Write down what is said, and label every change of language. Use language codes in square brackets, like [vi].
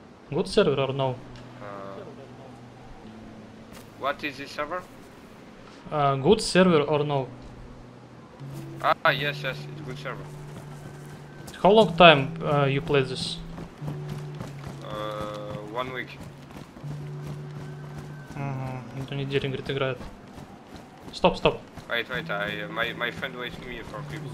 [en] Good server or no? What is this server? Good server or no? Ah, yes, yes, it's good server. How long time you play this? 1 week. [ru] Угу, это неделю, говорит, играет. Стоп, стоп. [en] Wait, wait, my friend waits me for people.